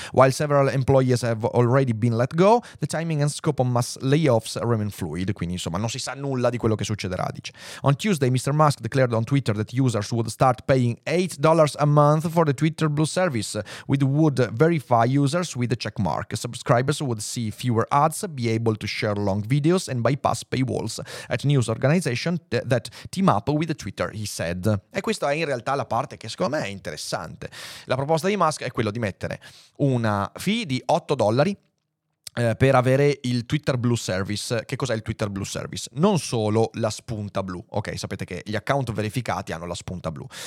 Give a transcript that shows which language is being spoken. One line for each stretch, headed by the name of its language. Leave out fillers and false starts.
English: While several employees have already been let go, the timing and scope of mass layoffs remain fluid.
Italian: Quindi insomma non si sa nulla di quello che succederà, dice.
English: On Tuesday, Mr. Musk declared on Twitter that users would start paying $8 a month for the Twitter Blue service, which would verify users with a checkmark. Subscribers would see fewer ads, be able to share long videos and bypass paywalls at news organization that team up with Twitter, he said.
Italian: E questo è in realtà la parte che secondo me è interessante. La proposta di Musk è quello di mettere una fee di $8 per avere il Twitter Blue Service. Che cos'è il Twitter Blue Service? Non solo la spunta blu. Ok, sapete che gli account verificati hanno la spunta blu.